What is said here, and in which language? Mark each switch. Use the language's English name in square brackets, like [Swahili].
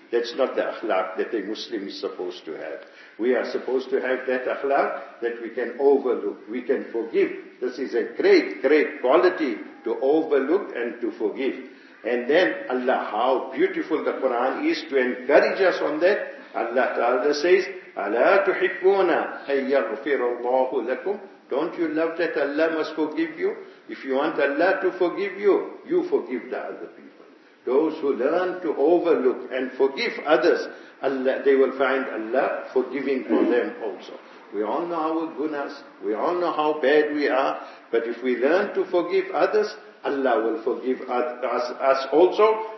[English] That's not the akhlaq that a Muslim is supposed to have. We are supposed to have that akhlaq that we can overlook, we can forgive. This is a great, great quality to overlook and to forgive. And then Allah, how beautiful the Quran is to encourage us on that. Allah Ta'ala says, [Arabic] أَلَا تُحِبُّونَ أَن يَغْفِرَ اللَّهُ لَكُمْ. [English] Don't you love that Allah must forgive you? If you want Allah to forgive you, you forgive the other people. Those who learn to overlook and forgive others, Allah, they will find Allah forgiving for them also. We all know our gunas, we all know how bad we are, but if we learn to forgive others, Allah will forgive us also.